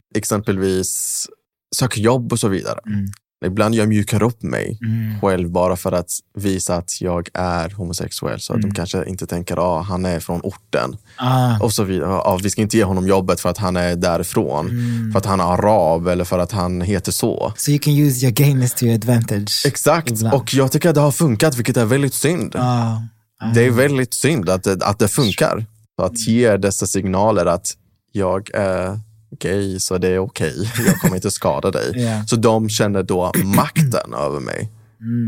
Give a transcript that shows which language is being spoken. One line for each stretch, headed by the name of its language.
Swedish: Exempelvis sök jobb och så vidare. Mm. Ibland jag mjukar upp mig själv bara för att visa att jag är homosexuell. Så att de kanske inte tänker att han är från orten. Ah. Och så vidare. Vi ska inte ge honom jobbet för att han är därifrån. Mm. För att han är arab eller för att han heter så.
English: So you can use your gayness to your advantage.
Swedish: Exakt. Ibland. Och jag tycker att det har funkat, vilket är väldigt synd. Det är väldigt synd att det funkar. Att ge dessa signaler att jag är... okej, så det är okej. Jag kommer inte skada dig.
English: Yeah.
Swedish: Så de känner då makten över mig. Mm.